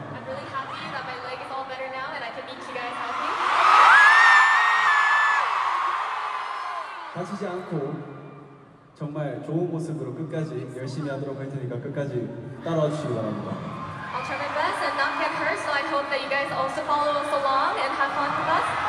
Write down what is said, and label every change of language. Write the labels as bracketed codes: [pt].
[en] I'm really happy that my leg is all better now and I can meet you guys healthy. [ko] 다치지 않고 정말 좋은 모습으로 끝까지 열심히 하도록 할 테니까 끝까지 따라와 주시기 바랍니다. [en] I'll try my best and not get hurt, so I hope that you guys also follow us along and have fun with us.